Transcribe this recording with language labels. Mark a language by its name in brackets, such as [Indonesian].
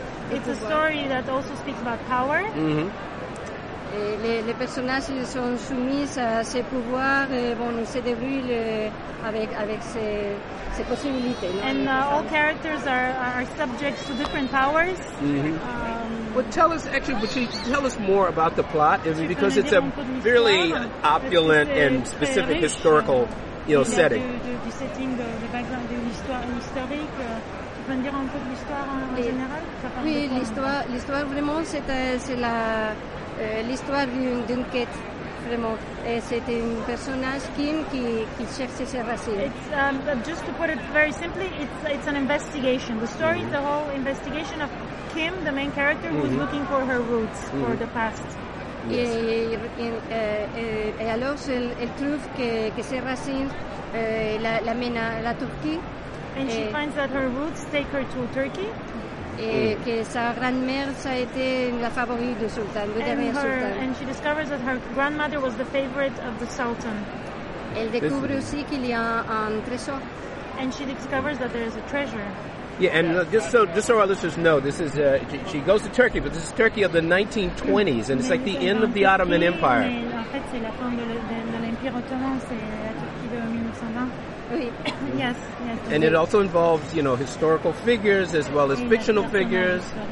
[English] It's a story that also speaks about power. Mm-hmm. [French] Les personnages sont soumis à ses pouvoirs et bon, se débrouillent avec ses possibilités. [English] And all characters are subjects to different powers. Mm-hmm. Tell us more about the plot, because it's a really opulent and specific historical setting. [French] Du setting, [English] the background, [French] de l'histoire historique. Tu peux me dire un peu de l'histoire en général? Oui, l'histoire vraiment, c'est la... l'histoire d'une quête, vraiment. Et c'est un personnage, Kim, qui cherche ses racines. [English] It's, just to put it very simply, it's an investigation. The story is the whole investigation of Kim, the main character, mm-hmm. who's looking for her roots, mm-hmm. for the past. Yes. [French] Et alors, elle trouve que ses racines l'amènent à la Turquie. [English] And she finds that her roots take her to Turkey. [French] Et que sa grand-mère ça a été la favorite du sultan, le dernier sultan. [English] And she discovers that her grandmother was the favorite of the sultan. [French] Elle découvre aussi qu'il y a un trésor. [English] And she discovers that there is a treasure. Yeah, and just so our listeners know, this is she goes to Turkey, but this is Turkey of the 1920s, and it's like the end of the Ottoman Empire. [French] Mais en fait, c'est la fin de l'Empire Ottoman, c'est la Turquie de 1920. Oui. [English] Yes, yes. And it also involves, you know, historical figures as well as fictional figures.